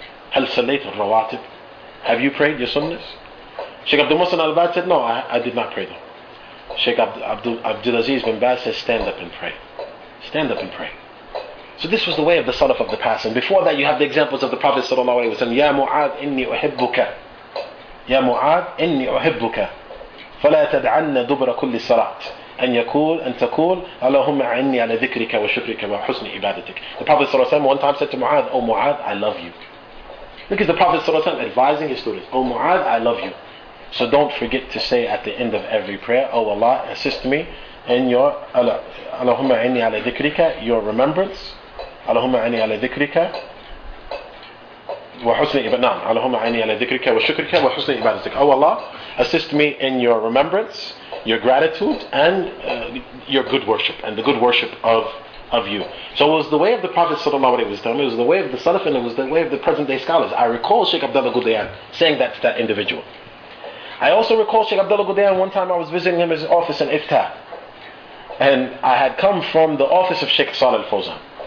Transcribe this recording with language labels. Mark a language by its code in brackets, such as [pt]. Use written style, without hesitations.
[ar] Hal salayt al-rawatib? [en] Have you prayed your sunnahs? Sheikh Abdul Muslim al-Baz said, no, I did not pray them. Sheikh Abdulaziz bin Baz says, stand up and pray. Stand up and pray. So this was the way of the salaf of the past. And before that, you have the examples of the Prophet sallallahu alaihi wasallam. [ar] Ya Mu'ad, inni uhibbuka. Ya Mu'ad, inni uhibbuka. فلا تدعن دبر كل صلاة أن يقول أن تقول اللهم أعني على ذكرك وشكرك وحسن عبادتك. [en] The Prophet صلى الله عليه وسلم one time said to Mu'adh, Oh Mu'adh, I love you. Look at the Prophet صلى الله عليه وسلم advising his students, Oh Mu'adh, I love you. So don't forget to say at the end of every prayer, Oh Allah, assist me in your [ar] اللهم أعني على ذكرك, [en] your remembrance. [ar] اللهم أعني على ذكرك وحسن عبادتك. اللهم أعني على ذكرك وشكرك وحسن عبادتك. [en] Oh Allah, assist me in your remembrance, your gratitude, and your good worship, and the good worship of you. So it was the way of the Prophet sallallahu alaihi wasallam. It was the way of the Salaf, and it was the way of the present day scholars. I recall Sheikh Abdullah Gudayan saying that to that individual. I also recall Sheikh Abdullah Gudayan one time I was visiting him in his office in Iftah, and I had come from the office of Sheikh Saleh Al-Fawzan.